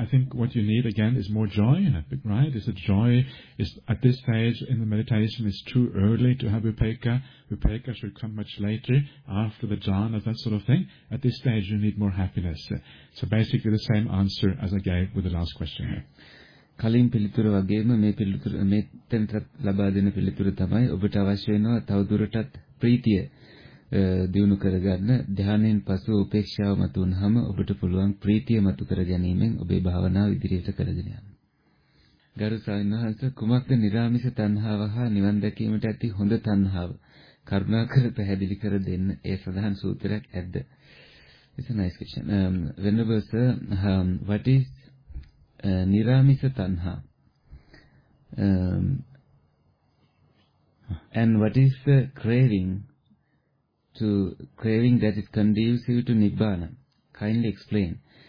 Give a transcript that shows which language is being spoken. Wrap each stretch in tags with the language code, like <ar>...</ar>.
<en>I think what you need again is more joy in it, right? Is it joy? Is at this stage in the meditation, it's too early to have upekkha. Upekkha should come much later, after the jhana, that sort of thing. At this stage, you need more happiness. So basically, the same answer as I gave with the last question.</en> <si>කලින් පිළිතුර වගේම මේ පිළිතුර මේ තැනට ලබා දෙන පිළිතුර තමයි ඔබට අවශ්‍ය වෙනවා තවදුරටත් ප්‍රීතිය දිනු කරගන්න ධානයෙන් පසු උපේක්ෂාව මත උන්හම ඔබට පුළුවන් ප්‍රීතිය මතු කර ගැනීමෙන් ඔබේ භාවනාව ඉදිරියට කරගෙන යන්න. ගරු සාවින්හන්ස කුමක්ද නිරාමිෂ තණ්හාව හා නිවන් දැකීමට ඇති හොඳ තණ්හාව කරුණාකර පැහැදිලි කර දෙන්න ඒ සඳහන් සූත්‍රයක් ඇද්ද?</si> <en>It's a nice question. Venerable sir, what is Niramisa Tanha? And what is the craving that is conducive to Nibbana? Kindly explain.</en>